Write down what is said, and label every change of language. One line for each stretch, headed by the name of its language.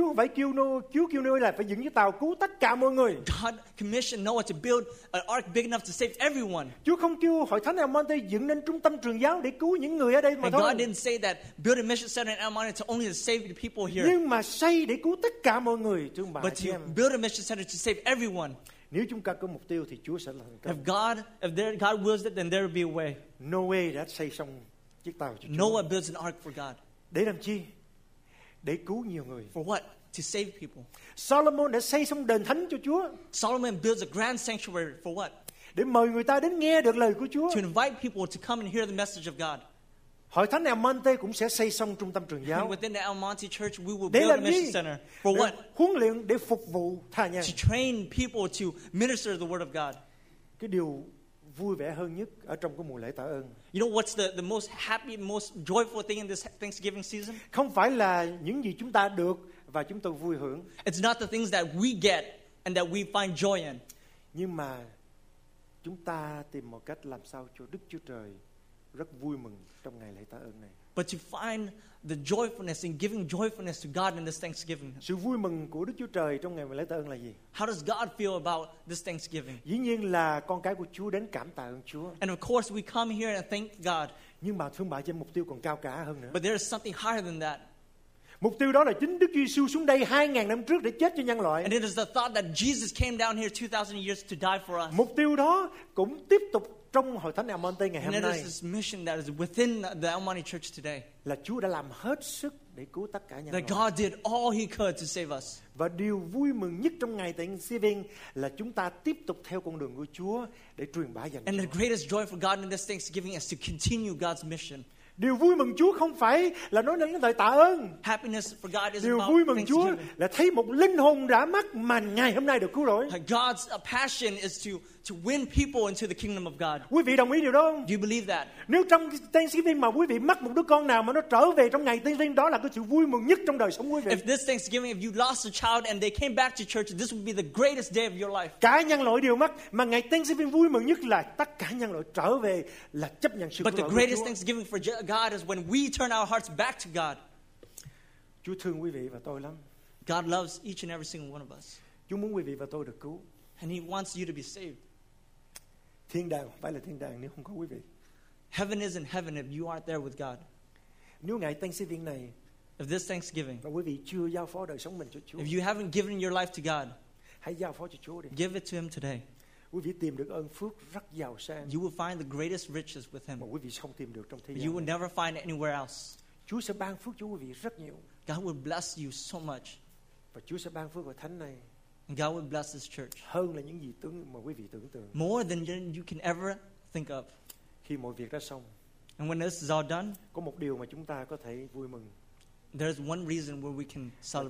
Vietnamese: Chúa không phải kêu Noah là phải dựng cái tàu cứu tất cả mọi người.
English: God commissioned Noah to build an ark big enough to save everyone.
Vietnamese: Chúa không kêu Hội Thánh El Monte dựng nên trung tâm truyền giáo để cứu những người ở đây mà thôi.
English: God didn't say that build a mission center in El Monte to only to save the people here.
Vietnamese: Nhưng mà xây để cứu tất cả mọi người, chứ không phải.
English: But to build a mission center to save everyone.
Vietnamese: Nếu chúng ta có mục tiêu thì Chúa sẽ làm được.
English: If God wills it, then there will be a way.
Vietnamese: Noah đã xây xong chiếc tàu cho Chúa.
English: Noah builds an ark for God.
Vietnamese: Để làm chi? Để cứu nhiều người.
English: For what? To save people.
Vietnamese: Solomon đã xây xong đền thánh cho Chúa.
English: Solomon builds a grand sanctuary for what?
Vietnamese: Để mời người ta đến nghe được lời của Chúa.
English: To invite people to come and hear the message of God.
Vietnamese: Hội Thánh El Monte cũng sẽ xây xong trung tâm truyền giáo.
English: Within the El Monte Church, we will build a mission center. For what?
Vietnamese: Huấn luyện để phục vụ tha nhân.
English: To train people to minister the word of God.
Vietnamese: Cái điều vui vẻ hơn nhất ở trong cái mùa lễ tạ ơn.
English: You know what's the most happy, most joyful thing in this Thanksgiving season?
Vietnamese: Không phải là những gì chúng ta được và chúng tôi vui hưởng.
English: It's not the things that we get and that we find joy in.
Vietnamese: Nhưng mà chúng ta tìm một cách làm sao cho Đức Chúa Trời rất vui mừng trong ngày lễ tạ ơn này.
English: But to find the joyfulness in giving joyfulness to God in this Thanksgiving.
Vietnamese: Sự vui mừng của Đức Chúa Trời trong ngày lễ tạ ơn là gì?
English: How does God feel about this Thanksgiving?
Vietnamese: Dĩ nhiên là con cái của Chúa đến cảm tạ ơn Chúa.
English: And of course we come here and thank God.
Vietnamese: Nhưng mà thương bạn cho mục tiêu còn cao cả hơn nữa.
English: But there is something higher than that.
Vietnamese: Mục tiêu đó là chính Đức Giêsu xuống đây 2000 năm trước để chết cho nhân loại.
English: And it is the thought that Jesus came down here 2000 years to die for us.
Vietnamese: Mục tiêu đó cũng tiếp tục trong Hội Thánh El Monte ngày hôm
English: and
Vietnamese: nay.
English: And it is this mission that is within the El Monte Church today.
Vietnamese: Là Chúa đã làm hết sức để cứu tất cả nhân loại.
English: That God did all he could to save us.
Vietnamese: Và điều vui mừng nhất trong ngày Thanksgiving là chúng ta tiếp tục theo con đường của Chúa để truyền bá dân.
English: And the greatest joy for God in this Thanksgiving is to continue God's mission.
Vietnamese: Điều vui mừng Chúa không phải là nói đến lời tạ ơn.
English: Happiness for God is
Vietnamese: Điều vui mừng Chúa là thấy một linh hồn đã mắc mà ngày hôm nay được cứu rỗi.
English: God's passion is to win people into the kingdom of God.
Vietnamese: Quý vị đồng ý điều đó không?
English: Do you believe that?
Vietnamese: Nếu trong Thanksgiving mà quý vị mắc một đứa con nào mà nó trở về trong ngày Thanksgiving, đó là cái sự vui mừng nhất trong đời sống quý vị.
English: If this Thanksgiving if you lost a child and they came back to church, this would be the greatest day of your life.
Vietnamese: Cả nhân loại đều mắc, mà ngày Thanksgiving vui mừng nhất là tất cả nhân loại trở về là chấp nhận sự cứu rỗi.
English: But the greatest Thanksgiving for God is when we turn our hearts back to God.
Vietnamese: Chúa thương quý vị và tôi lắm.
English: God loves each and every single one of us.
Vietnamese: Chúa muốn quý vị và tôi được cứu.
English: And He wants you to be saved.
Vietnamese: Thiên đàng phải là thiên đàng nếu không có quý vị.
English: Heaven isn't heaven if you aren't there with God.
Vietnamese: Nếu ngày Thanksgiving này,
English: if this Thanksgiving,
Vietnamese: và quý vị chưa giao phó đời sống mình cho Chúa,
English: if you haven't given your life to God,
Vietnamese: hãy giao phó cho Chúa đi.
English: Give it to Him today.
Vietnamese: Quý vị tìm được ơn phước rất giàu sang.
English: You will find the greatest riches with Him.
Vietnamese: Mà quý vị không tìm được trong thế gian.
English: You will never find it anywhere else.
Vietnamese: Chúa sẽ ban phước cho quý vị rất nhiều.
English: God will bless you so much.
Vietnamese: Và Chúa sẽ ban phước vào thánh này.
English: And God will bless this church.
Vietnamese: Hơn là những gì tưởng mà quý vị tưởng tượng.
English: More than you can ever think of.
Vietnamese: Khi mọi việc đã xong.
English: And when this is all done.
Vietnamese: Có một điều mà chúng ta có thể vui mừng.
English: There is one reason where we can celebrate.